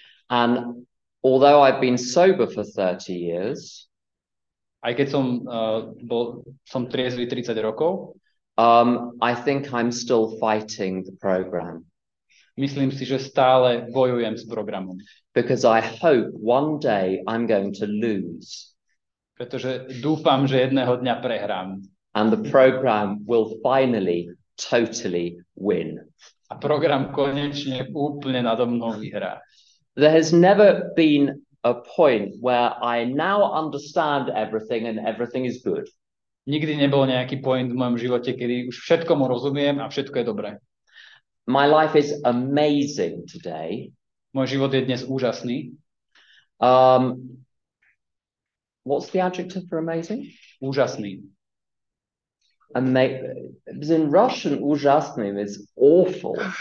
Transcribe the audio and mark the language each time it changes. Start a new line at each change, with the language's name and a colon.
English: And although I've been sober for 30 years,
Slovak: aj keď som bol triezvy 30 rokov,
English: I think I'm still fighting the program.
Slovak: Myslím si, že stále bojujem s programom.
English: Because I hope one day I'm going to lose.
Slovak: Pretože dúfam, že jedného dňa prehrám.
English: And the program will finally totally win.
Slovak: A program konečne úplne nado mnou vyhrá.
English: There has never been a point where I now understand everything and everything is good.
Slovak: Nikdy nebol nejaký point v mojom živote, kedy už všetkomu rozumiem a všetko je dobré.
English: My life is amazing today.
Slovak: Môj život je dnes úžasný.
English: What's the adjective for amazing?
Slovak: Úžasný.
English: In Russian, úžasný is awful.